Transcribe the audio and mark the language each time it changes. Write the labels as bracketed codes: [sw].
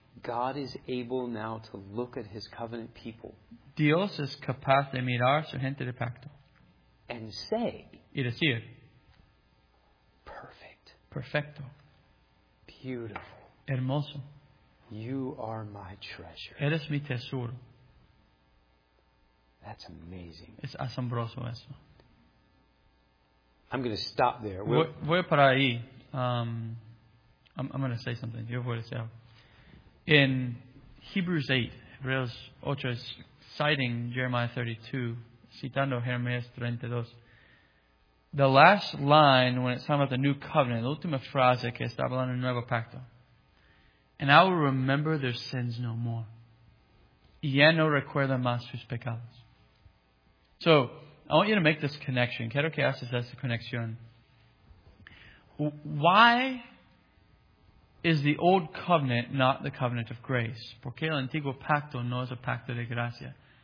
[en] God is able now to look at his covenant people. [es] Dios es capaz de mirar su gente de pacto. [en] And say. [es] Y decir. [en] Perfect. [es] Perfecto. [en] Beautiful. [es] Hermoso. [en] You are my treasure. [es] Eres mi tesoro. [en] That's amazing. [es] Es asombroso eso. [en] I'm going to stop there. [es] Voy a parar ahí. [en] I'm going to say something. [es] Yo voy a decir algo. [en] In Hebrews 8, Hebrews 8 is citing Jeremiah 32, [es] citando Jeremías 32. [en] The last line when it's talking about the new covenant, [es] la última frase que está hablando del nuevo pacto. [en] And I will remember their sins no more. [es] Y ya no recuerda más sus pecados. [en] So, I want you to make this connection. [es] Quiero que haces esta conexión. [en] Why is the old covenant not the covenant of grace? [es] ¿Por qué el antiguo pacto no es el pacto de gracia?